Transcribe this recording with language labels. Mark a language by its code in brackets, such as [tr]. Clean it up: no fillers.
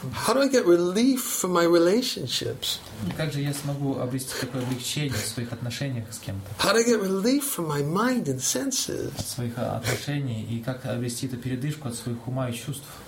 [en] How do I get relief from my relationships? [ru] Как же я смогу обрести такое облегчение в своих отношениях с кем-то? [en] How do I get relief from my mind and senses? [ru] От своих отношений и как обрести эту передышку от своих ума и чувств?